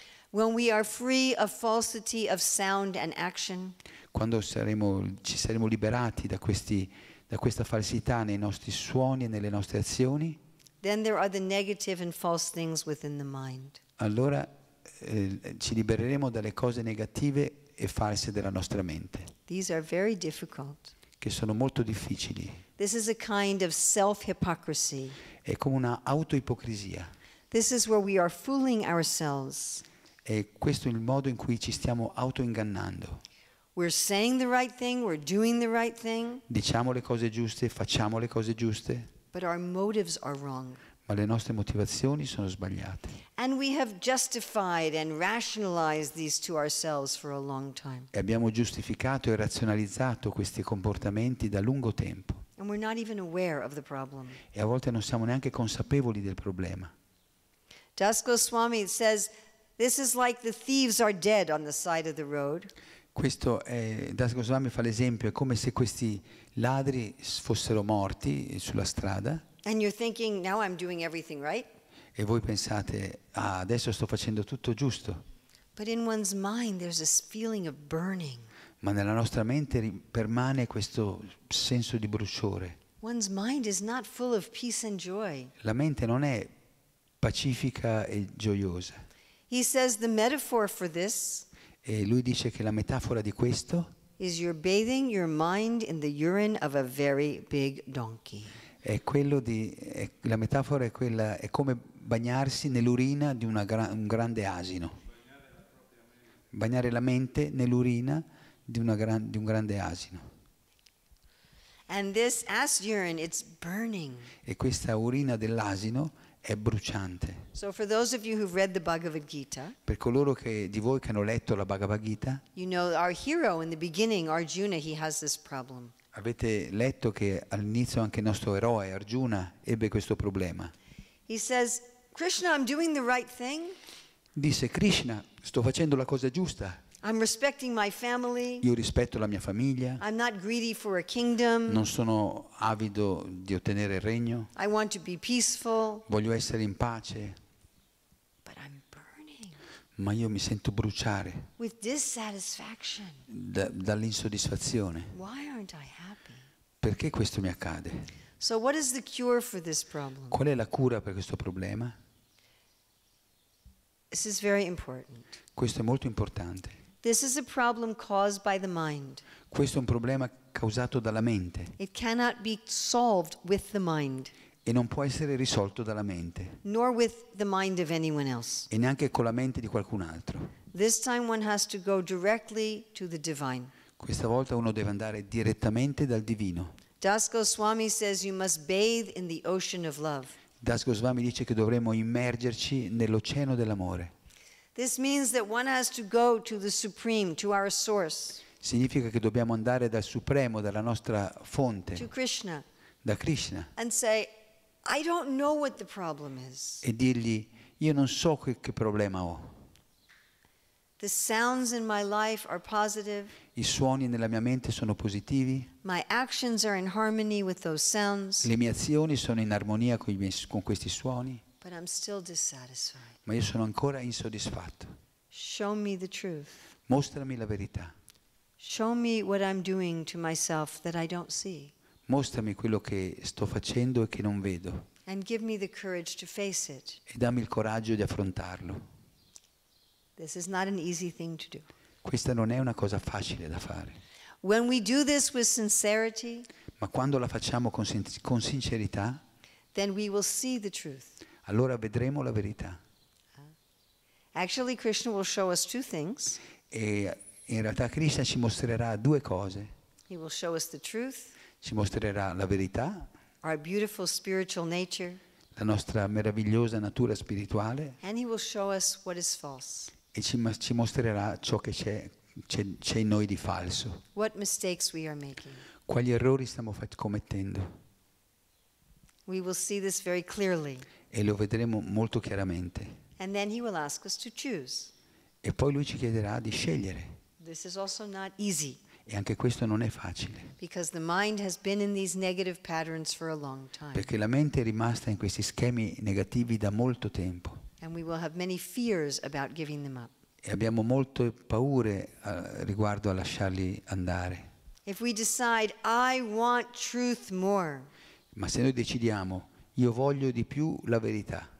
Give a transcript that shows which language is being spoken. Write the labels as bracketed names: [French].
[English] When we are free of falsity of sound and action. [Italian] Quando ci saremo liberati da questa falsità nei nostri suoni e nelle nostre azioni. [English] Then there are the negative and false things within the mind. [Italian] Allora ci libereremo dalle cose negative e false della nostra mente. [English] These are very difficult. [Italian] Che sono molto difficili. [English] This is a kind of self-hypocrisy. [Italian] È come una autoipocrisia. [English] This is where we are fooling ourselves. [Italian] E questo è il modo in cui ci stiamo autoingannando. [English] We're saying the right thing, we're doing the right thing. [Italian] Diciamo le cose giuste, facciamo le cose giuste. [English] But our motives are wrong. [Italian] Ma le nostre motivazioni sono sbagliate. [English] And we have justified and rationalized these to ourselves for a long time. [Italian] E abbiamo giustificato e razionalizzato questi comportamenti da lungo tempo. [English] And we're not even aware of the problem. [Italian] E a volte non siamo neanche consapevoli del problema. [English] Das Goswami says, this is like the thieves are dead on the side of the road. [Italian] Questo è, Das Goswami fa l'esempio, è come se questi ladri fossero morti sulla strada. [English] And you're thinking, now I'm doing everything right. [Italian] E voi pensate, ah, adesso sto facendo tutto giusto. [English] But in one's mind there's this feeling of burning. [Italian] Ma nella nostra mente permane questo senso di bruciore. [English] One's mind is not full of peace and joy. [Italian] La mente non è pacifica e gioiosa. [English] He says the metaphor for this. [Italian] E lui dice che la metafora di questo [English] is you're bathing your mind in the urine of a very big donkey. [Italian] È quello di la metafora è quella è come bagnarsi nell'urina di un grande asino. Bagnare la mente nell'urina di un grande asino. [English] And this ass urine, it's burning. [Italian] E questa urina dell'asino è bruciante. [English] So for those of you who've read the Bhagavad Gita, [Italian] per coloro che di voi che hanno letto la Bhagavad Gita, [English] you know our hero in the beginning, Arjuna, he has this problem. [Italian] Avete letto che all'inizio anche il nostro eroe Arjuna ebbe questo problema. [English] He says, Krishna, I'm doing the right thing. [Italian] Disse Krishna, sto facendo la cosa giusta. [English] I'm respecting my family. [Italian] Io rispetto la mia famiglia. [English] I'm not greedy for a kingdom. [Italian] Non sono avido di ottenere il regno. [English] I want to be peaceful. [Italian] Voglio essere in pace. [English] But I'm burning. [Italian] Ma io mi sento bruciare. [English] With dissatisfaction. [Italian] Dall'insoddisfazione. [English] Why aren't I happy? [Italian] Perché questo mi accade? [English] So what is the cure for this problem? [Italian] Qual è la cura per questo problema? [English] This is very important. [Italian] Questo è molto importante. [English] This is a problem caused by the mind. [Italian] Questo è un problema causato dalla mente. [English] It cannot be solved with the mind. [Italian] E non può essere risolto dalla mente. [English] Nor with the mind of anyone else. [Italian] E neanche con la mente di qualcun altro. [English] This time one has to go directly to the divine. [Italian] Questa volta uno deve andare direttamente dal divino. [English] Das Goswami says you must bathe in the ocean of love. [Italian] Das Goswami dice che dovremmo immergerci nell'oceano dell'amore. [English] This means that one has to go to the supreme, to our source. [Italian] Significa che dobbiamo andare dal supremo, dalla nostra fonte. [English] To Krishna. [Italian] Da Krishna. [English] And say, I don't know what the problem is. [Italian] E dirgli, io non so che problema ho. [English] The sounds in my life are positive. [Italian] I suoni nella mia mente sono positivi. [English] My actions are in harmony with those sounds. [Italian] Le mie azioni sono in armonia con questi suoni. [English] But I'm still dissatisfied. [Italian] Ma io sono ancora insoddisfatto. [English] Show me the truth. [Italian] Mostrami la verità. [English] Show me what I'm doing to myself that I don't see. [Italian] Mostrami quello che sto facendo e che non vedo. [English] And give me the courage to face it. [Italian] E dammi il coraggio di affrontarlo. [English] This is not an easy thing to do. [Italian] Questa non è una cosa facile da fare. [English] When we do this with sincerity, [Italian] ma quando la facciamo con sincerità, [English] then we will see the truth. [Italian] Allora vedremo la verità. [English] Actually, Krishna will show us two things. [Italian] E in realtà Krishna ci mostrerà due cose. [English] He will show us the truth. [Italian] Ci mostrerà la verità. [English] Our beautiful spiritual nature. [Italian] La nostra meravigliosa natura spirituale. [English] And he will show us what is false. [Italian] E ci mostrerà ciò che c'è in noi di falso. [English] What mistakes we are making. [Italian] Quali errori stiamo commettendo. [English] We will see this very clearly. [Italian] E lo vedremo molto chiaramente. [English] And then he will ask us to choose. [Italian] E poi lui ci chiederà di scegliere. [English] This is also not easy. [Italian] E anche questo non è facile. [English] Because the mind has been in these negative patterns for a long time. [Italian] Perché la mente è rimasta in questi schemi negativi da molto tempo. [English] And we will have many fears about giving them up. [Italian] E abbiamo molte paure riguardo a lasciarli andare. [English] If we decide, I want truth more. [Italian] Ma se noi decidiamo, io voglio di più la verità.